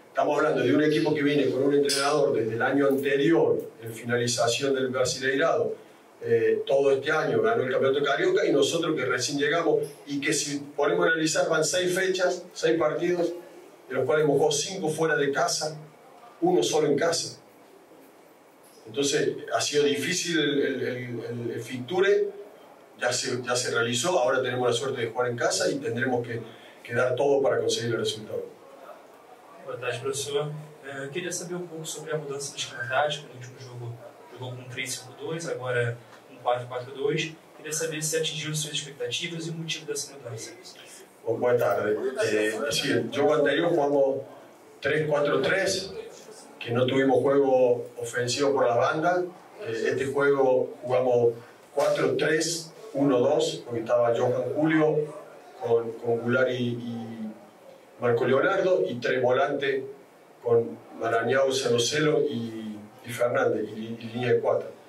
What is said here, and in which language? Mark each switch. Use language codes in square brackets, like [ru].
[es] Estamos hablando de un equipo que viene con un entrenador desde el año anterior, en finalización del Brasileirado, todo este año ganó el campeonato carioca, y nosotros que recién llegamos, y que si ponemos a analizar van 6 fechas, 6 partidos, de los cuales hemos jugado 5 fuera de casa, uno solo en casa. Entonces ha sido difícil el fixture. Ya se realizó, ahora tenemos la suerte de jugar en casa y tendremos que dar todo para conseguir el resultado. [pt] Boa tarde, professor. Queria saber um pouco sobre a mudança de esquema tático. No último jogo jogou com 3-5-2, agora com 4-4-2. Queria saber se atingiu suas expectativas e o motivo dessa mudança. Boa tarde. Sim, no jogo anterior jugamos 3-4-3, que não tivemos jogo ofensivo [es] por la banda. [pt] Este jogo [es] jugamos 4-3-1-2, porque estaba Johan Julio con Goulart y Marco Leonardo, y tres volantes con Marañao, Sanocelo y Fernández, y línea de 4.